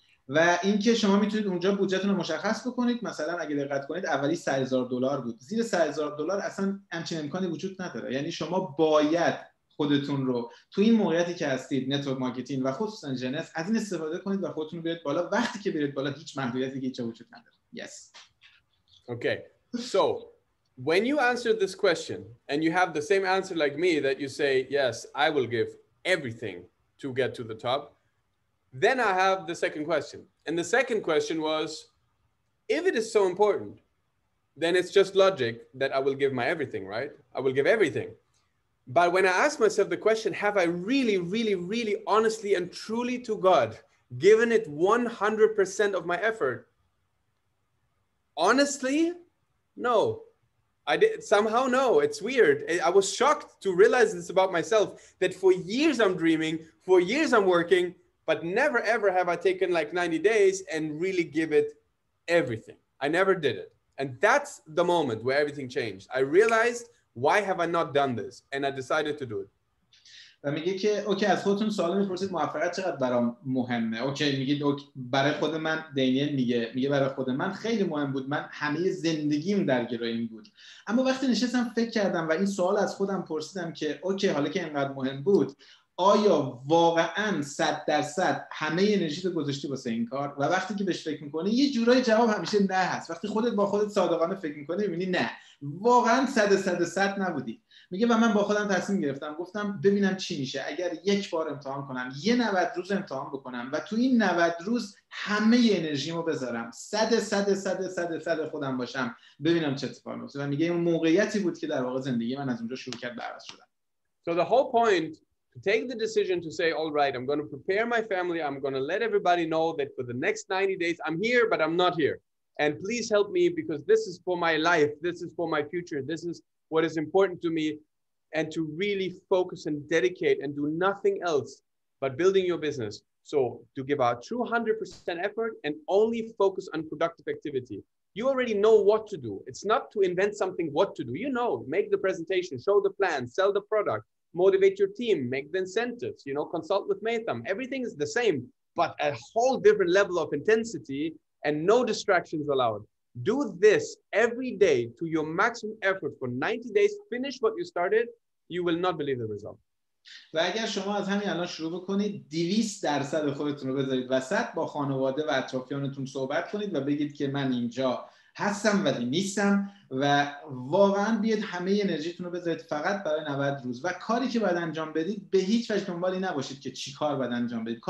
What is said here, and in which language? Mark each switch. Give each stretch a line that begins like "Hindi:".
Persian: و اینکه شما میتونید اونجا بودجهتون رو مشخص بکنید. مثلا اگه دقت کنید اولی $100,000 بود. زیر $100,000 اصلا همچین امکانی وجود نداره. یعنی شما باید خودتون رو تو این موقعیتی که هستید، نتورک مارکتینگ و خصوصا جنس، از این استفاده کنید و خودتون رو بیارید بالا. وقتی که بیارید بالا هیچ محدودیتی که وجود نداره.
English: Yes. Okay. So when you answer this question and you have the same answer like me that you say yes, I will give everything to get to the top, then I have the second question. And the second question was, if it is so important, then it's just logic that I will give my everything, right? I will give everything. But when I ask myself the question, have I really, really, really honestly and truly to God given it 100% of my effort? Honestly, no. I did somehow, no, it's weird. I was shocked to realize this about myself, that for years I'm dreaming, for years I'm working, but never ever have I taken like 90 days and really give it everything. I never did it. And that's the moment where everything changed. I realized, why have I not done this? And I decided to do it.
Persian: و میگه که اوکی از خودتون سوال میپرسید موفقیت چقدر برام مهمه. اوکی میگه برای خود من دنیل میگه برای خود من خیلی مهم بود. من همه زندگیم درگیر این بود. اما وقتی نشستم فکر کردم و این سوال از خودم پرسیدم که اوکی حالا که اینقدر مهم بود، آیا واقعا 100% همه انرژی رو گذاشتی واسه این کار؟ و وقتی که بهش فکر میکنی یه جورای جواب همیشه نه هست. وقتی خودت با خودت صادقانه فکر میکنی میبینی نه، واقعا 100% نبودی. میگه و من با خودم تصمیم گرفتم، گفتم ببینم چی میشه اگر یک بار امتحان کنم، یه 90 روز امتحان بکنم و تو این 90 روز همه انرژیمو بذارم، 100% خودم باشم، ببینم چه اتفاقی میفته. و میگه این موقعیتی بود که در واقع زندگی من از اونجا شروع کرد به عوض شدن.
English: So the whole point to take the decision to say all right, I'm going to prepare my family, I'm going to let everybody know that for the next 90 days I'm here but I'm not here, and please help me because this is for my life, this is for my future, this is what is important to me, and to really focus and dedicate and do nothing else but building your business. So to give out 200% effort and only focus on productive activity. You already know what to do. It's not to invent something what to do. You know, make the presentation, show the plan, sell the product, motivate your team, make the incentives, you know, consult with Maytham. Everything is the same, but a whole different level of intensity and no distractions allowed. Do this every day to your maximum effort for 90 days. Finish what you started. You will not believe the result.
Persian: و اگر شما از همین الان شروع بکنید 200% خودتون رو بذارید وسط، با خانواده و اطرافیانتون صحبت کنید و بگید که من اینجا هستم ولی نیستم، و واقعا بیاید همه انرژیتون رو بذارید فقط برای 90 روز و کاری که باید انجام بدید به هیچ وجه دنبالی نباشید که چی کار باید انجام بدید.